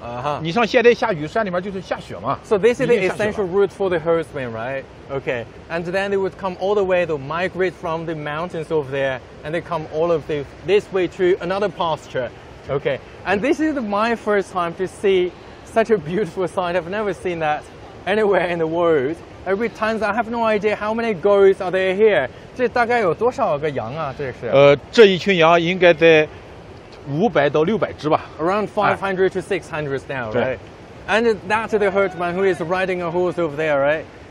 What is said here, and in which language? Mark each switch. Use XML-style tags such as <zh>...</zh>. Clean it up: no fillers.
<zh>每年的时候都会有很多的这个羊啊，从这个我们是一个交通要道，从这川。我们景区这个道路呢，也是牧民专长的牧道。景区里面山里面是牧民的夏牧场。夏天的牧场里面呢水草丰富嘛。每年到这个时候呢，牧民山里面温度很低了。你像现在下雨，山里面就是下雪嘛。</zh> <en>So this is the essential route for the herdsmen, right? Okay, and then they would come all the way, they'll migrate from the mountains over there, and they come all of this way to another pasture. Okay, and this is my first time to see such a beautiful sight. I've never seen that anywhere in the world. Every time, I have no idea how many goats are there here.</en> <zh>这大概有多少个羊啊，这是？这一群羊应该在500到600只吧。</zh> <en>Around 500 to 600 now, right?</en> <zh>对。</zh> <en>And that's the herdman who is riding a horse over there, right?</en>